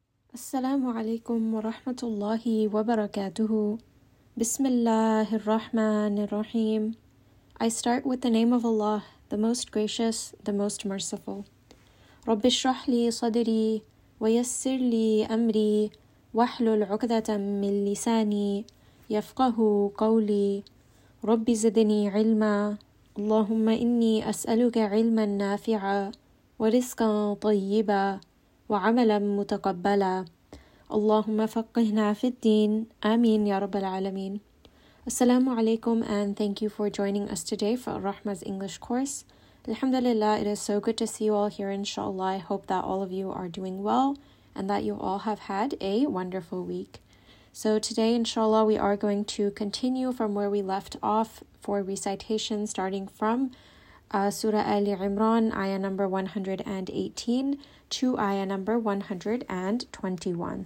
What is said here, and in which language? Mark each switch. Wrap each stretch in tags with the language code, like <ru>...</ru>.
<ar>السلام عليكم ورحمة الله وبركاته. بسم الله الرحمن الرحيم.</ar> <en>I start with the name of Allah, the most gracious, the most merciful.</en> <ar>رب اشرح لي صدري ويسر لي أمري واحلل عقدة من لساني يفقه قولي رب زدني علما اللهم إني أسألك علما نافعا ورزقا طيبا وعملا متقبلا اللهم فقهنا في الدين آمين يا رب العالمين. السلام عليكم</ar> <en>and thank you for joining us today for Rahma's English course. Alhamdulillah, it is so good to see you all here inshallah. I hope that all of you are doing well and that you all have had a wonderful week. So today inshallah we are going to continue from where we left off for recitation starting from Surah Ali Imran, ayah number 118 to ayah number 121.</en>